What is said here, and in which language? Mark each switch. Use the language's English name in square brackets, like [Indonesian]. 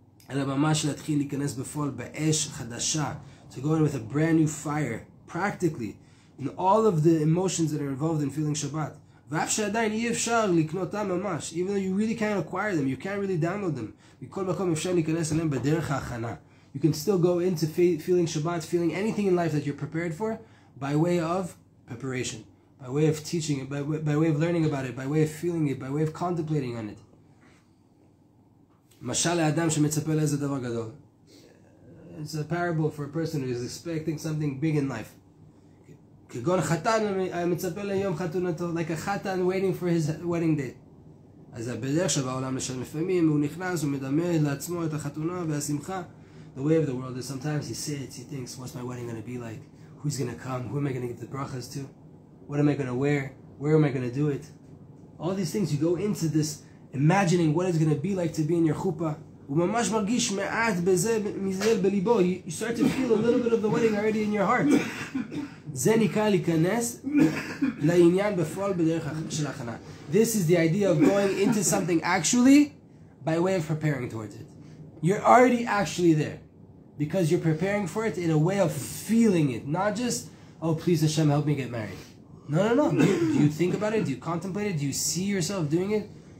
[Hebrew] אלא ממש להתחיל להיכנס בפועל באש חדשה, [English] to go in with a brand new fire, practically, in all of the emotions that are involved in feeling Shabbat. [Hebrew] ואף שעדיין אי אפשר לקנותם ממש, [English] even though you really can't acquire them, you can't really download them. [Hebrew] מכל מקום אפשר להיכנס אליהם בדרך ההכנה. [English] You can still go into feeling Shabbat, feeling anything in life that you're prepared for, by way of preparation, by way of teaching it, by way of learning about it, by way of feeling it, by way of contemplating on it. [Hebrew] משל לאדם שמצפה לאיזה דבר גדול. [English] It's a parable for a person who is expecting something big in life. [Hebrew] כגון חתן מצפה ליום חתונתו, [English] like a חתן waiting for his wedding day. [Hebrew] אז בדרך שבעולם לשם לפעמים הוא נכנס ומדמה לעצמו את החתונה והשמחה. [English] The way of the world is sometimes he sits, he thinks, what's my wedding going to be like? Who's going to come? Who am I going to give the brachas to? What am I going to wear? Where am I going to do it? All these things, you go into this imagining what it's going to be like to be in your chupa. [Hebrew] וממש מרגיש מעט בזה מזה בליבו. [English] You start to feel a little bit of the wedding already in your heart. [Hebrew] זה נקרא להיכנס לעניין בפועל בדרך של הכנה. [English] This is the idea of going into something actually by way of preparing towards it. You're already actually there because you're preparing for it in a way of feeling it, not just, oh, please Hashem, help me get married. No, no, no. Do you think about it? Do you contemplate it? Do you see yourself doing it?